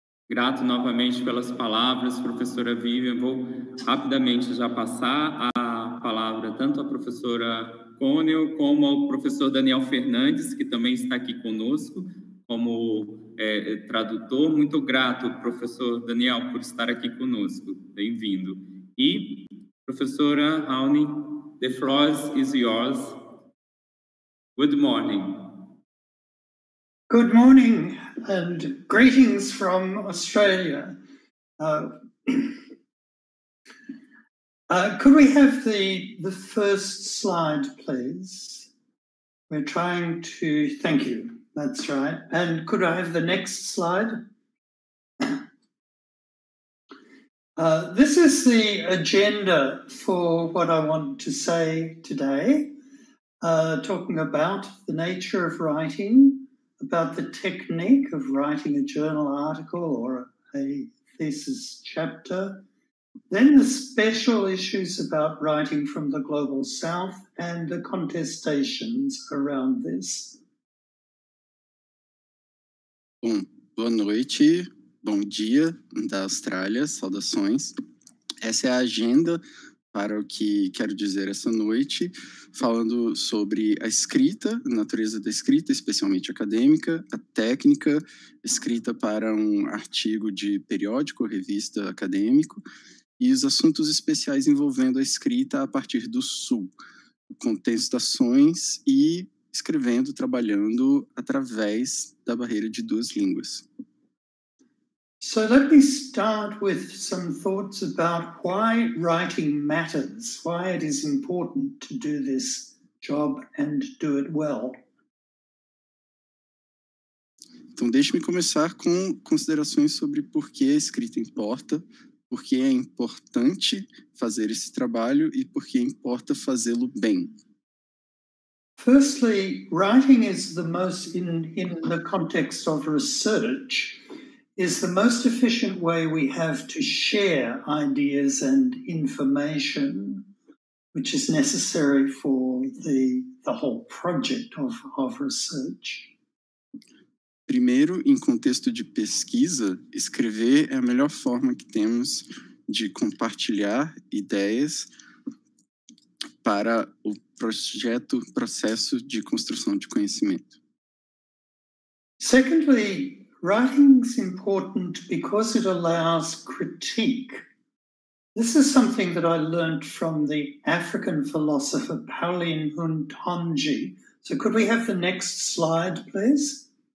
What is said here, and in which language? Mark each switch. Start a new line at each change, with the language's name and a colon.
Portuguese: Grato novamente pelas palavras, professora Vivian. Vou rapidamente já passar a palavra tanto à professora Connell como ao professor Daniel Fernandes, que também está aqui conosco, como tradutor. Muito grato, professor Daniel, por estar aqui conosco. Bem-vindo. E, professora Auni,
English: the floor is yours. Good morning. Good morning and greetings from Australia. Could we have the first slide, please? We're trying to... Thank you. That's right. And could I have the next slide? This is the agenda for what I want to say today, talking about the nature of writing, about the technique of writing a journal article or a thesis chapter, then the special issues about writing from the Global South and the contestations around this.
Portuguese: Bom, boa noite, bom dia da Austrália, saudações. Essa é a agenda para o que quero dizer essa noite, falando sobre a escrita, a natureza da escrita, especialmente acadêmica, a técnica, escrita para um artigo de periódico, revista acadêmico, e os assuntos especiais envolvendo a escrita a partir do Sul, contestações e escrevendo, trabalhando através da barreira de duas línguas.
English: So let me start with some thoughts about why writing matters, why it is important to do this job and do it well.
Portuguese: Então, deixe-me começar com considerações sobre por que a escrita importa, por que é importante fazer esse trabalho e por que importa fazê-lo bem.
English: Firstly, writing is the most in the context of research is the most efficient way we have to share ideas and information, which is necessary for the whole project of research.
Portuguese: Primeiro, em contexto de pesquisa, escrever é a melhor forma que temos de compartilhar ideias para o projeto, processo de construção de conhecimento.
English: Secondly, writing is important because it allows critique. This is something that I learned from the African philosopher Pauline Ntonji. So could we have the next slide, please?